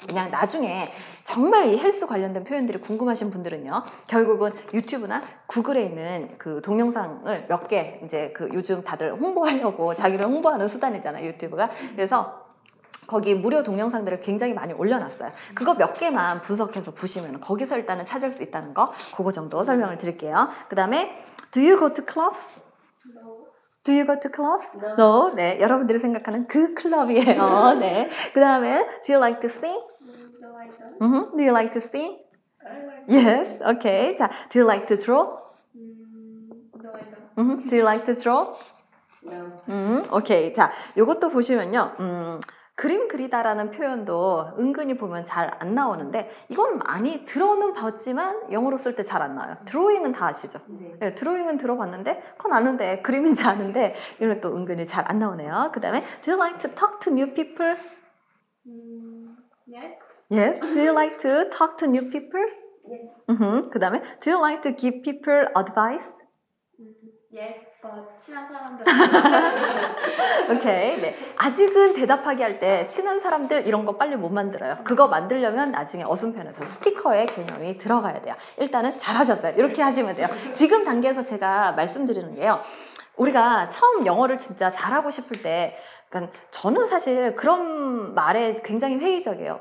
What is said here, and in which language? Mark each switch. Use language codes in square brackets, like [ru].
[ko] 그냥 나중에 정말 이 헬스 관련된 표현들이 궁금하신 분들은요, 결국은 유튜브나 구글에 있는 그 동영상을 몇 개 이제 그 요즘 다들 홍보하려고 자기를 홍보하는 수단이잖아요, 유튜브가. 그래서 거기 무료 동영상들을 굉장히 많이 올려놨어요. 그거 몇 개만 분석해서 보시면 거기서 일단은 찾을 수 있다는 거, 그거 정도 설명을 드릴게요. 그 다음에 [en] Do you go to clubs? No. Do you go to clubs? No. No. [ko] 네, 여러분들이 생각하는 그 클럽이에요. 네. 그 다음에 [en] Do you like to sing? No, I don't. Do you like to sing? I like to sing. Yes, okay. 자, Do you like to draw? No, I don't. Do you like to draw? No. Okay. [ko] 자, 이것도 보시면요, 그림 그리다라는 표현도 은근히 보면 잘 안 나오는데, 이건 많이 들어는 봤지만 영어로 쓸 때 잘 안 나와요. 드로잉은 다 아시죠? 네. 네, 드로잉은 들어봤는데 그건 아는데, 그림인지 아는데 이건 또 은근히 잘 안 나오네요. 그 다음에 [en] Do you like to talk to new people? Yes. Yes. Do you like to talk to new people? Yes. [ko] 그 다음에 [en] Do you like to give people advice? [ko] Yes. 친한 사람들. 오케이. 네. 아직은 대답하기 할 때 친한 사람들 이런 거 빨리 못 만들어요. 그거 만들려면 나중에 어순편에서 스티커의 개념이 들어가야 돼요. 일단은 잘하셨어요. 이렇게 하시면 돼요. 지금 단계에서 제가 말씀드리는 게요, 우리가 처음 영어를 진짜 잘하고 싶을 때, 그러니까 저는 사실 그런 말에 굉장히 회의적이에요.